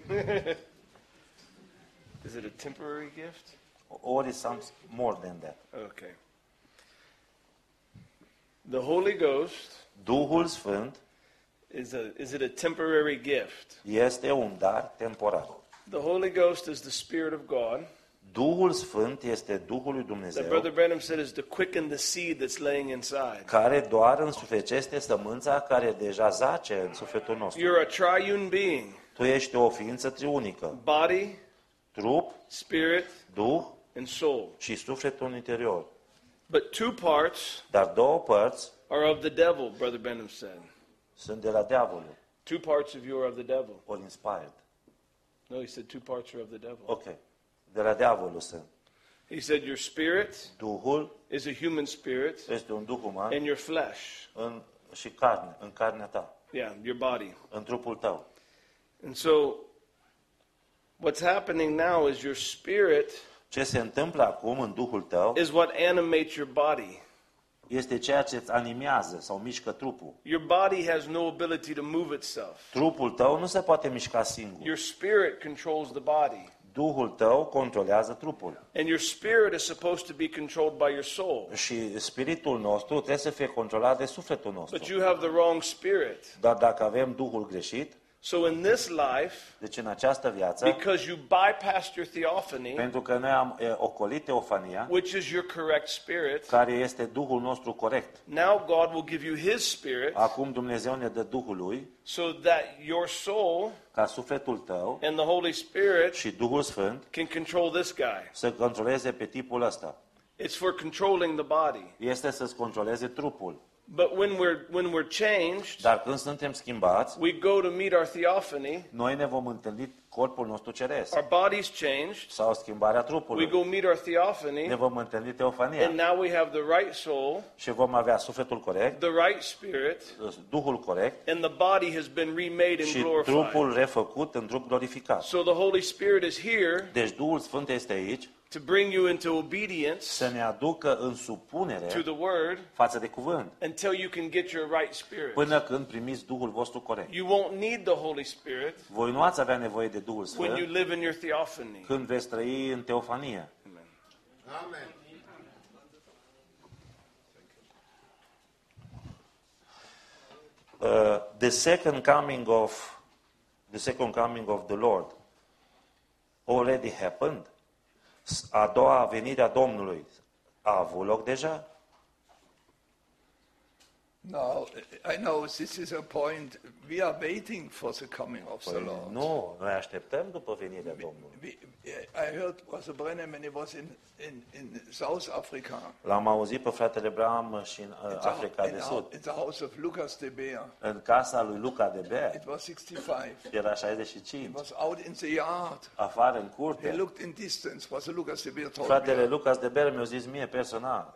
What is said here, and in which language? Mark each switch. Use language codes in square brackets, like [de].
[en] don't like it. Is it a temporary gift? Or is something more than that? Okay. The Holy Ghost, [ro] Duhul Sfânt, [en] is it a temporary gift? [ro] Este un dar temporar. [en] The Holy Ghost is the Spirit of God. [ro] Duhul Sfânt este Duhul lui Dumnezeu. [en] Brother Branham said is to quicken the seed that's laying inside. [ro] Care doar însuflețește sămânța care deja zace în sufletul nostru. [en] You're a triune being. [ro] Tu ești o ființă triunică. [en] Body, [ro] trup, [en] spirit, [ro] duh [en] and soul. [ro] Și sufletul interior. [en] But two parts, [ro] dar două părți [en] are of the devil, Brother Branham said. [ro] Sunt de la diavol. [en] Two parts of you are of the devil. Or inspired. No, he said two parts are of the devil. [ro] Okay. De la diavolul sunt. [en] He said your spirit, [ro] Duhul, [en] is a human spirit. [ro] Este un duh uman. [en] And your flesh, [ro] și carne, în carnea ta. [en] Yeah, your body. [ro] În trupul tău. [en] And so what's happening now is your spirit, [ro] ce se întâmplă acum în duhul tău, [en] is what animates your body. [ro] Este ceea ce îți animează sau mișcă trupul. [en] Your body has no ability to move itself. [ro] Trupul tău nu se poate mișca singur. [en] Your spirit controls the body. [ro] Duhul tău controlează trupul. [en] And your spirit is supposed to be controlled by your soul. [ro] Și spiritul nostru trebuie să fie controlat de sufletul nostru. [en] But you have the wrong spirit. [ro] Dar dacă avem duhul greșit, [en] so in this life, [ro] deci în această viață, [en] because you bypassed your theophany, [ro] pentru că noi am ocolit teofania, [en] which is your correct spirit, [ro] care este duhul nostru corect. [en] Now God will give you his spirit. [ro] Acum Dumnezeu ne dă duhul lui. [en] So that your soul, [ro] ca sufletul tău, [en] and the Holy Spirit, [ro] și Duhul Sfânt, [en] can control this guy. [ro] Să controleze pe tipul ăsta. [en] It's for controlling the body. [ro] Este să controleze trupul. [en] But when we're changed, [ro] dar când suntem schimbați, [en] we go to meet our theophany. [ro] Noi ne vom întâlni corpul nostru ceresc. [en] Our body's changed. [ro] Sau schimbarea trupului. [en] We go meet our theophany. [ro] Ne vom întâlni teofania. [en] And now we have the right soul. [ro] Și vom avea sufletul corect. [en] The right spirit. [ro] Duhul corect. [en] And the body has been remade and glorified. [ro] Și trupul refăcut în trup glorificat. [en] So the Holy Spirit is here. [ro] Deci Duhul Sfânt este aici. [en] To bring you into obedience, [ro] să ne aducă în supunere, [en] to the word, [ro] față de cuvânt, [en] until you can get your right spirit, [ro] până când primiți Duhul vostru corect. [en] You won't need the Holy Spirit, [ro] voi nu ați avea nevoie de Duhul Sfânt, [en] when you live in your theophany, [ro] când veți trăi în teofanie. Amen. Amen. [en] The second coming of the Lord already happened. [ro] A doua venire a Domnului a avut loc deja? [en] No, I know this is a point. We are waiting for the coming of the Lord. [ro] Nu, noi așteptăm după venirea Domnului. [en] I heard Brother Branham when he was in South Africa. [ro] L-am auzit pe fratele Branham și în Africa de Sud. [en] In the house of Lucas de Beer. [ro] În casa lui Luca de Beer. [en] It was 65. [ro] Era 65. [en] He was out in the yard. [ro] Afară în curte. [en] He looked in distance. Brother Lucas de Beer told me. [ro] Fratele Lucas de Beer mi-a zis mie personal.